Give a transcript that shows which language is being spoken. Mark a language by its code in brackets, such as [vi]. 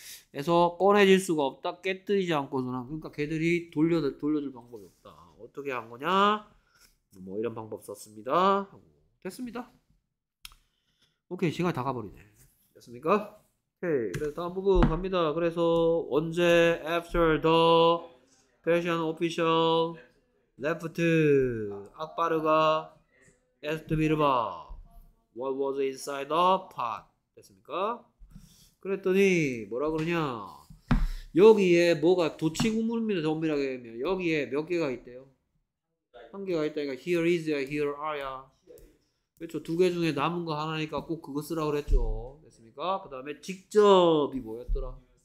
[ko] 그래서 꺼내질 수가 없다. 깨뜨리지 않고서는. 그러니까 걔들이 돌려줄 방법이 없다. 어떻게 한 거냐? 뭐 이런 방법 썼습니다. 됐습니다. 오케이, 시간 다 가버리네. 됐습니까? 오케이, 그래서 다음 부분 갑니다. 그래서 언제? [en] After the Persian official left Akbar가 asked Birba what was inside the pot? [ko] 됐습니까? 그랬더니 뭐라 그러냐? 여기에 뭐가 도치국물입니다. 정밀하게 얘기하면 여기에 몇 개가 있대요? 한 개가 있다니까. Here is야, here are야. 그렇죠. 두 개 중에 남은 거 하나니까 꼭 그거 쓰라고 그랬죠. 됐습니까? 그 다음에 직접이 뭐였더라?